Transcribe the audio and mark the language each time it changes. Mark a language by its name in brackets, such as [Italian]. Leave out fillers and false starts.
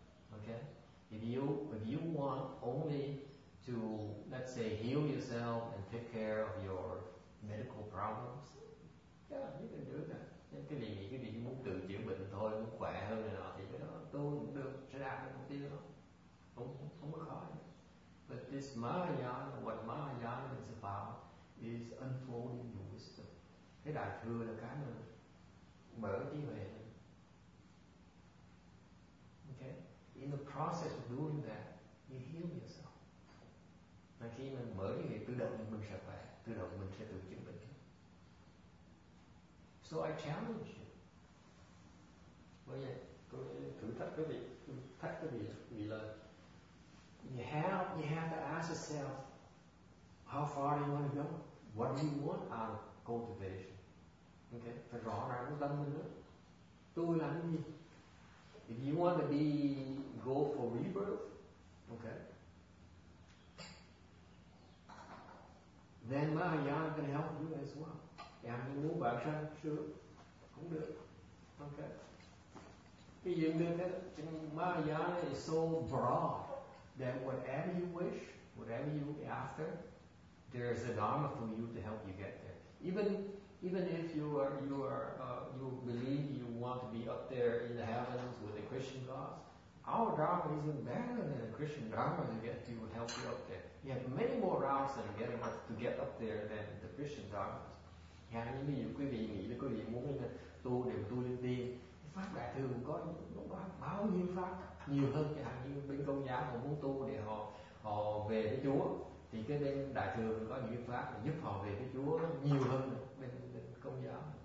[English] Okay, if you want only to, let's say, heal yourself and take care of your medical problems, yeah, you can do that. [Vietnamese] Nhưng cái gì cái gì muốn tự chữa bệnh thôi, muốn khỏe hơn này nọ thì cái đó tôi cũng được, sẽ đạt được mục tiêu đó, không có khó. [English] But this Mahayana, what Mahayana is about is unfolding your wisdom. [Vietnamese] Cái đại thừa là cái mà mở trí huệ. [English] Okay, in the process of doing that, you heal yourself. [Vietnamese] Mà khi mình mở trí huệ, tự động mình sẽ khỏe, tự động mình sẽ tự chữa bệnh. [English] So I challenge you. [Vietnamese] Bây giờ tôi thử thách quý vị, vì là [English] you have to ask yourself, how far do you want to go? What do you want out of cultivation? [Vietnamese] Okay, phải rõ ràng với tâm mình nữa. Tôi làm cái gì? [English] If you want to be go for rebirth, okay, then Mahayana can help you as well. [Vietnamese] Thì anh muốn bảo sanh sure, cũng được. Okay, cái gì cũng được hết. Nhưng [English] Mahayana is so broad that whatever you wish, whatever you look after, there is a Dharma for you to help you get there. Even if you believe you want to be up there in the heavens with the Christian gods, our Dharma is even better than the Christian Dharma to get to help you up there. You have many more routes than to get up there than the Christian Dharma. [Vietnamese] Yeah, nếu như quý vị nghĩ là quý vị muốn tu để tu lên tiên, pháp đại thừa cũng có bao nhiêu pháp nhiều hơn cái hàng như bên Công giáo họ muốn tu để họ về với Chúa, thì cái bên đại thừa có những pháp giúp họ về với Chúa nhiều hơn bên Công giáo.